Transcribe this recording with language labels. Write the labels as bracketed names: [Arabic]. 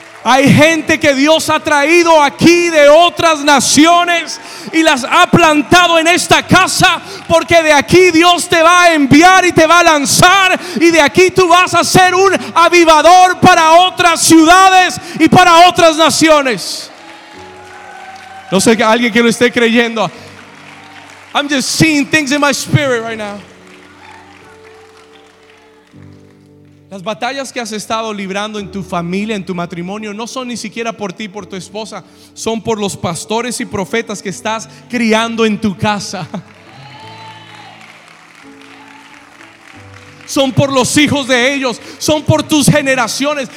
[Spanish] Hay gente que Dios ha traído aquí de otras naciones y las ha plantado en esta casa, porque de aquí Dios te va a enviar y te va a lanzar, y de aquí tú vas a ser un avivador para otras ciudades y para otras naciones. No sé, alguien que lo esté creyendo. [English] I'm just seeing things in my spirit right now. [Spanish] Las batallas que has estado librando en tu familia, en tu matrimonio, no son ni siquiera por ti, por tu esposa, son por los pastores y profetas que estás criando en tu casa. Son por los hijos de ellos, son por tus generaciones.